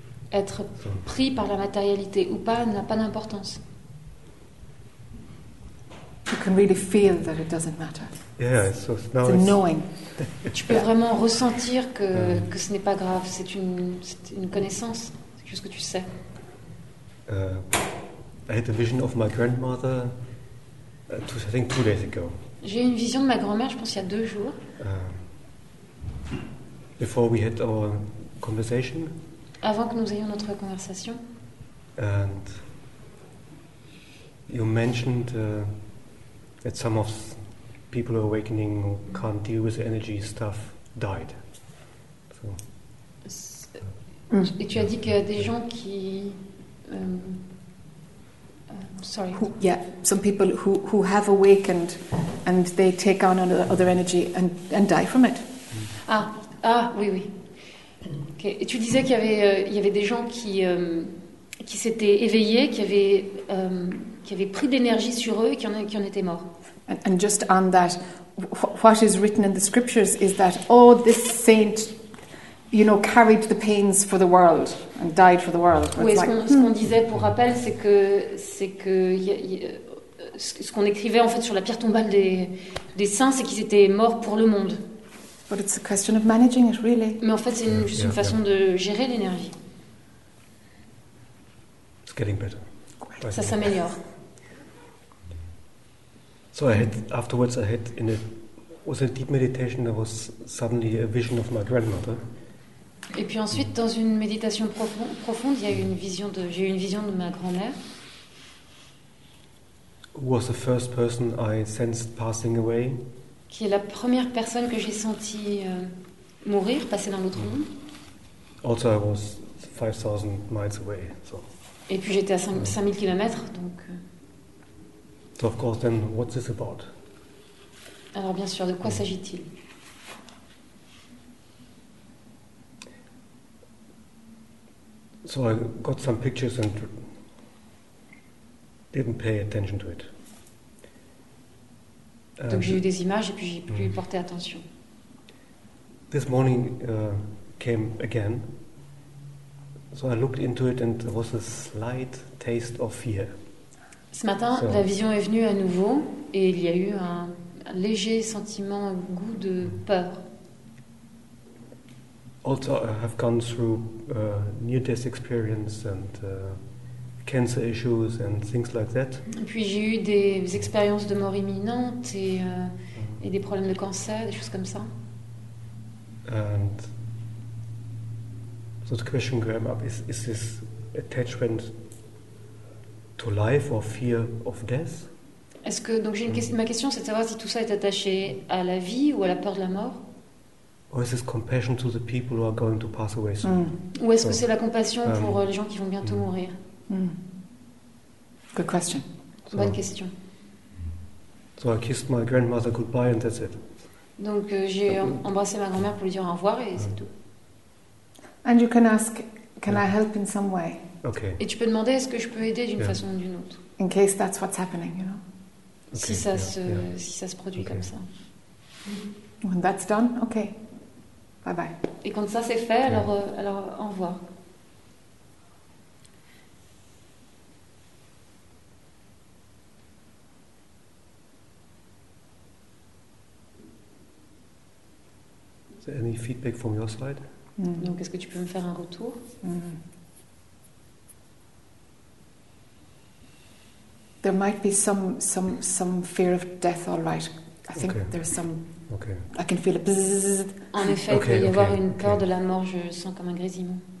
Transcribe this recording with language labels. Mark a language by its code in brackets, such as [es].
[fr] Être pris par la matérialité ou pas n'a pas d'importance. [en] You can really feel that it doesn't matter. Yeah, so now it's a knowing. [fr] Tu peux vraiment ressentir que ce n'est pas grave. C'est une connaissance. C'est quelque chose que tu sais. [en] I had a vision of my grandmother. I think 2 days ago. [fr] J'ai eu une vision de ma grand-mère. Je pense il y a 2 jours. [en] Before we had our conversation. [fr] Avant que nous ayons notre conversation. [en] And you mentioned that some of people who are awakening who can't deal with energy stuff died. So. [fr] Et tu as dit que des gens qui [en] sorry. Who, yeah, some people who have awakened and they take on other energy and die from it. [fr] Ah oui oui. Okay. Et tu disais qu'il y avait des gens qui s'étaient éveillés, qui avaient pris d'énergie sur eux et qui en étaient morts. [en] And just on that, what is written in the scriptures is that oh, this saint, you know, carried the pains for the world and died for the world. [fr] Oui, ce qu'on disait pour rappel, c'est que ce qu'on écrivait en fait sur la pierre tombale des saints, c'est qu'ils étaient morts pour le monde. [en] But it's a question of managing it, really. [fr] Mais en fait, c'est une façon de gérer l'énergie. [en] It's getting better. [fr] Ça s'améliore. [en] So afterwards, was a deep meditation. There was suddenly a vision of my grandmother. [fr] Et puis ensuite, dans une méditation profonde, j'ai eu une vision de ma grand-mère. [en] Who was the first person I sensed passing away? [fr] Qui est la première personne que j'ai sentie mourir, passer dans l'autre monde. [en] Also, I was 5,000 miles away. So. [fr] Et puis j'étais à 5,000 km, donc. [en] So of course, then, what's this about? [fr] Alors bien sûr, de quoi s'agit-il? [en] So I got some pictures and didn't pay attention to it. [fr] Donc j'ai eu des images et puis j'ai plus porté attention. [en] This morning came again. So I looked into it and there was a slight taste of fear. [fr] Ce matin, so, la vision est venue à nouveau et il y a eu un léger sentiment, un goût de peur. [en] Also, I have gone through near-death experience and cancer issues and things like that. [fr] Et puis j'ai eu des expériences de mort imminente et des problèmes de cancer, des choses comme ça. [en] And so the question came up: is this attachment to life or fear of death? [fr] Est-ce que donc ma question c'est de savoir si tout ça est attaché à la vie ou à la peur de la mort? [en] Or is this compassion to the people who are going to pass away soon? [fr] Ou est-ce que c'est la compassion pour les gens qui vont bientôt mourir? [en] Good question. [fr] Bonne question. [en] So I kissed my grandmother goodbye and that's it. [fr] Donc j'ai embrassé ma grand-mère pour lui dire au revoir et c'est tout. [en] And you can ask, can I help in some way? Okay. [fr] Et tu peux demander est-ce que je peux aider d'une façon ou d'une autre? [en] In case that's what's happening, you know. [fr] Okay. Si ça se produit comme ça. [en] When that's done, okay. Bye bye. [fr] Et quand ça c'est fait, alors au revoir. [en] Is there any feedback from your side? [fr] Donc est-ce que tu peux me faire un retour? [en] There might be some fear of death, all right. I think there's some. I can feel a bzzz. [fr] En effet, il peut y avoir une peur de la mort, je sens comme un grésillement.